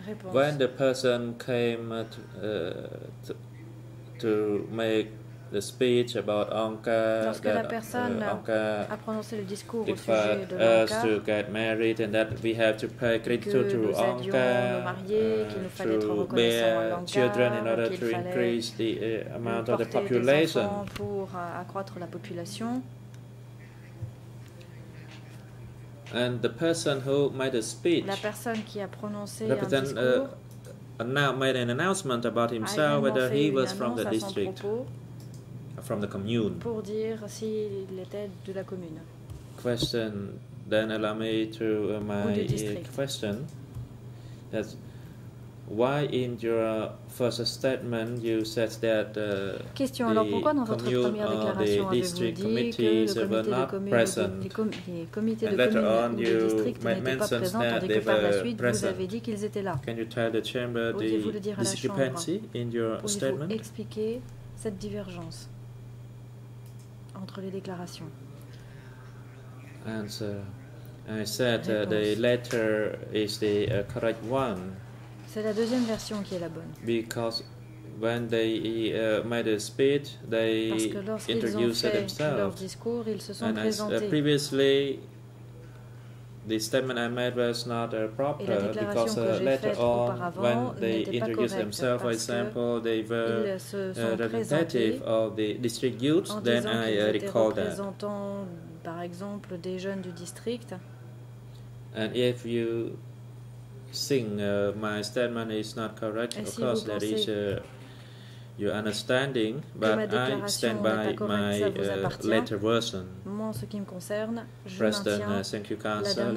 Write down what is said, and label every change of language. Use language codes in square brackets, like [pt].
[en] When the person came to make the speech about Anka, [fr] Lorsque la personne a prononcé le discours au sujet de Anka, [en] us to get married and that we have to pay gratitude to Anka, to bear children in order to increase the amount of the population. [fr] Pour accroître la population. [en] And the person who made a speech [fr] la personne qui a prononcé [en] represent, [fr] un discours [en] made an announcement about himself, whether he was from the district, from the commune. [fr] Pour dire s'il était de la commune. [en] Question, then allow me to my question. That's why in your first statement you said that question, the commune or the district committees were not present, and later on you mentioned that they were present. Can you tell the chamber the discrepancy in your statement? [fr] Pouvez-vous expliquer cette divergence entre les déclarations? [en] Answer. I said the letter is the correct one. [fr] C'est la deuxième version qui est la bonne. [en] Because when they made a speech, they introduced themselves. [fr] Leur discours, ils se sont présentés. [en] And previously, the statement I made was not proper because later on, when they introduced themselves, for example, they were representative of the district youth. Then I recall that. [fr] En disant qu'ils étaient représentants, par exemple, des jeunes du district. [en] And if you think my statement is not correct, [fr] si [en] of course that is your understanding, but I stand by my later version. [fr] Moi, ce qui me concerne, je [en] President, thank you, Council.